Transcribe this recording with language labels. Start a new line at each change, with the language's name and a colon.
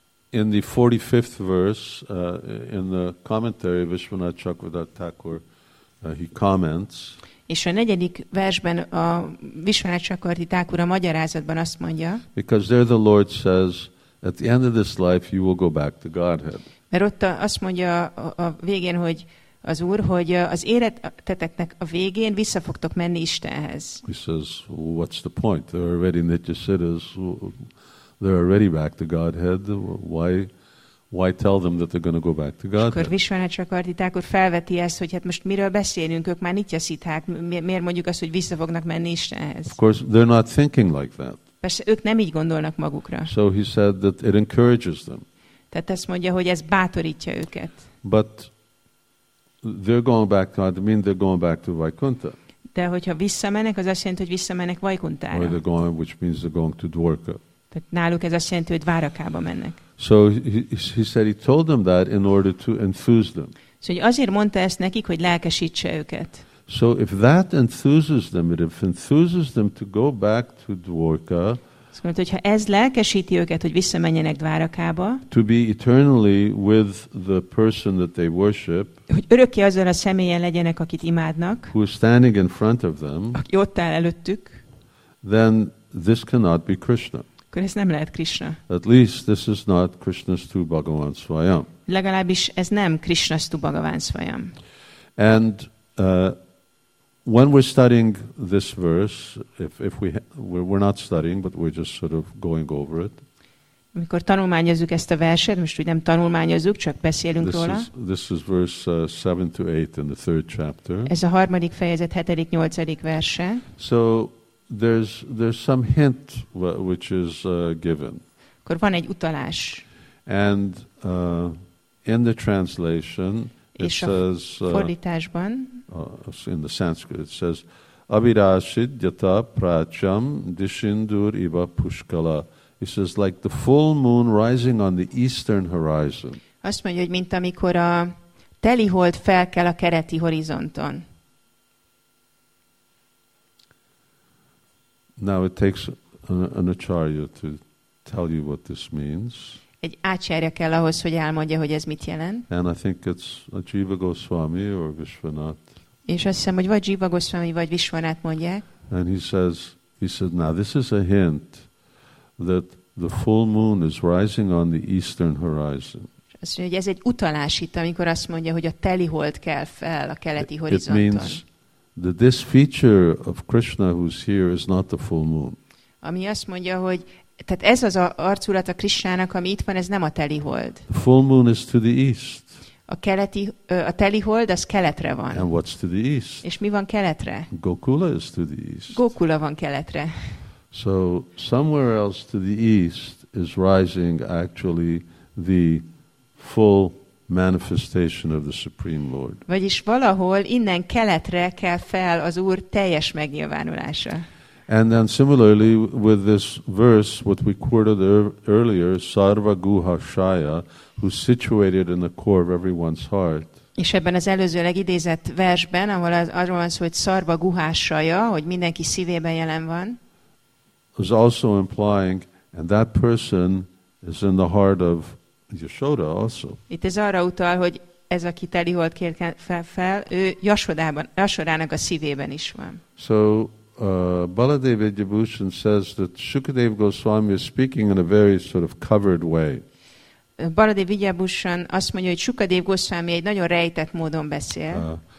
English: In the 45th verse, in the commentary, Vishwanath Chakravarti Thakur, he comments.
Hungarian: És a negyedik versben a Vishwanath Chakravarti Thakur a magyarázatban azt mondja.
English: Because there the Lord says, at the end of this life, you will go back to Godhead.
Hungarian: Mert ott azt mondja a végén, hogy az Úr, hogy az életeteknek a végén vissza fogtok menni Istenhez.
English: He says, what's the point? There are already nityasiddhas. They're already back to Godhead. Why tell them that they're going to go back to Godhead?
Hungarian: Akkor Vishwanath Chakravarti Thakur felveti ezt, hogy hát most miről beszélünk, ők már nityasiddhák, miért mondjuk azt, hogy vissza fognak menni Istenhez?
English: Of course, they're not thinking like that.
Hungarian: Persze, ők nem így gondolnak magukra.
English: So he said that it encourages them.
Hungarian: Tehát azt mondja, hogy ez bátorítja őket.
English: But they're going back to Godhead, I mean they're going back to Vaikuntha.
Hungarian: De hogyha visszamennek, az azt jelenti, hogy visszamennek Vaikunthára.
English: Or they're going, which means they're going to Dvarka.
Hungarian: Tehát náluk ez azt jelenti, hogy Dvárakába mennek.
English: So he said he told them that in order to enthuse them.
Hungarian: So azért mondta ezt nekik, hogy lelkesítse őket.
English: So if that enthuses them, if enthuses them to go back to Dvarka.
Hungarian: Szóval, hogyha ez lelkesíti őket, hogy visszamenjenek Dvárakába.
English: To be eternally with the person that they worship.
Hungarian: Hogy örökké azzal a személlyel legyenek, akit imádnak.
English: Who is standing in front of them.
Hungarian: Aki ott áll előttük.
English: Then this cannot be Krishna.
Hungarian: Akkor ez nem lehet Krishna.
English: At least this is not Krishna's true Bhagavan Svayam.
Hungarian: Legalábbis ez nem
English: Krishna's true
Hungarian: Bhagavan Svayam.
English: And when we're studying this verse, if we're not studying, but we're just sort of going over it.
Hungarian: Amikor tanulmányozzuk ezt a verset, most úgy nem tanulmányozzuk, csak beszélünk róla.
English: This is verse 7 to 8 in the third chapter.
Hungarian: Ez a harmadik fejezet, 7. 8. verse.
English: So There's some hint which is given.
Hungarian: Akkor van egy utalás.
English: And in the translation it says
Hungarian: fordításban
English: in the Sanskrit it says
Sanskrit: avirashid yata pracham dishindur iva pushkala.
English: It says like the full moon rising on the eastern horizon.
Hungarian: Azt mondja, hogy mint amikor a teli hold felkel a kereti horizonton.
English: Now it takes an acharya to tell you what this means.
Hungarian: Egy ácsárja kell ahhoz, hogy elmondja, hogy ez mit jelent.
English: And I think it's a Jiva Goswami or Vishwanath.
Hungarian: És azt hiszem, hogy vagy Jiva Goswami, vagy Vishwanath mondják.
English: And he says, now this is a hint that the full moon is rising on the eastern horizon.
Hungarian: Azt mondja, hogy ez egy utalás itt, amikor azt mondja, hogy a teli hold kel fel a keleti horizonton.
English: It means that this feature of Krishna who's here is not the full moon.
Hungarian: Ami azt mondja, hogy tehát ez az arculat a Krishnának, ami itt van, ez nem a teli hold.
English: Full moon is to the east.
Hungarian: A keleti, a teli hold az keletre van.
English: And what's to the east?
Hungarian: És mi van keletre?
English: Gokula is to the east.
Hungarian: Gokula van keletre.
English: So somewhere else to the east is rising actually the full manifestation of the Supreme Lord.
Hungarian: Vagyis valahol innen keletre kell fel az Úr teljes megnyilvánulása.
English: And then similarly with this verse, what we quoted earlier, Sarva Guha Shaya, who's situated in the core of everyone's heart.
Hungarian: És ebben az előzőleg idézett versben, ahol arról van szó, hogy Sarva Guha Shaya, hogy mindenki szívében jelen van.
English: Is also implying, and that person is in the heart of Yashoda also.
Hungarian: Itt ez arra utal, hogy ez, aki teli hold kér fel, ő Yashodának a szívében is van.
English: So, Baladeva Vidyabhushan says that Shukadeva Goswami is speaking in a very sort of covered way.
Hungarian: Baladeva Vidyabhushan azt mondja, hogy Shukadeva Goswami egy nagyon rejtett módon beszél.